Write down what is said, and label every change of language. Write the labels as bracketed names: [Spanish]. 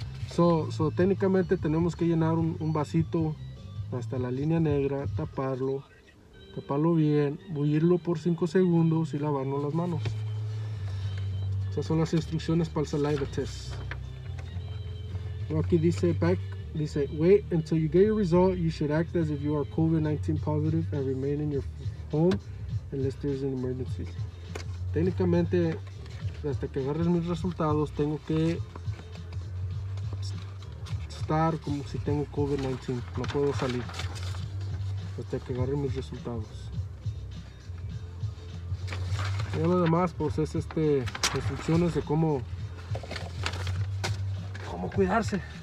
[Spanish] So técnicamente tenemos que llenar un vasito hasta la línea negra, taparlo bien, bullirlo por 5 segundos y lavarnos las manos. Esas son las instrucciones para el saliva test. Aquí dice back, dice [English] wait until you get your result. You should act as if you are COVID-19 positive and remain in your home unless there is an emergency. [Spanish] Técnicamente, hasta que agarres mis resultados, tengo que estar como si tengo COVID-19. No puedo salir hasta que agarre mis resultados. Y lo demás, pues es instrucciones de cómo cuidarse.